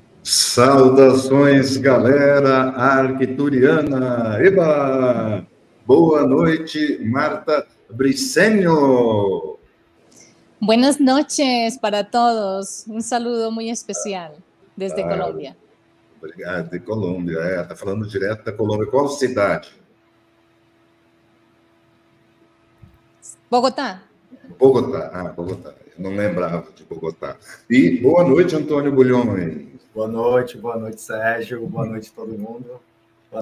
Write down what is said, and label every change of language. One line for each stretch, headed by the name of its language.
Portuguese: Saudações, galera arquituriana! Eba! Boa noite, Marta Briceño!
Spanish: Buenas noches para todos. Un saludo muy especial desde Colombia.
Portuguese: Obrigado, de Colômbia. É, tá falando direto da Colômbia. Qual cidade? Bogotá. Bogotá. Ah, Bogotá. Eu não lembrava de Bogotá. E boa noite, Antônio Bulhões. Boa noite, Sérgio. Boa noite, todo mundo. Boa